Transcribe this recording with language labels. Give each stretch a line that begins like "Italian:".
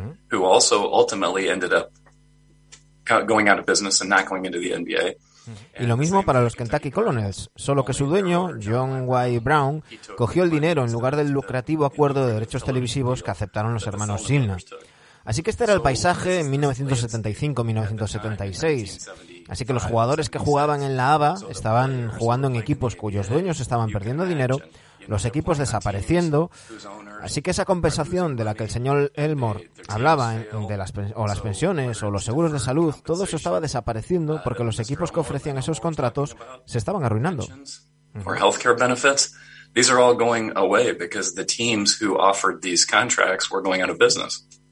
English: Who also ultimately ended up going out of business and not going into the NBA.
Spanish: Y lo mismo para los Kentucky Colonels, solo que su dueño, John Y. Brown, cogió el dinero en lugar del lucrativo acuerdo de derechos televisivos que aceptaron los hermanos Cigna. Así que este era el paisaje en 1975-1976. Así que los jugadores que jugaban en la ABA estaban jugando en equipos cuyos dueños estaban perdiendo dinero, los equipos desapareciendo. Así que esa compensación de la que el señor Elmore hablaba, o las pensiones o los seguros de salud, todo eso estaba desapareciendo porque los equipos que ofrecían esos contratos se estaban arruinando.
English: Or healthcare benefits, these are all going away because the teams who offered these contracts were going out of business.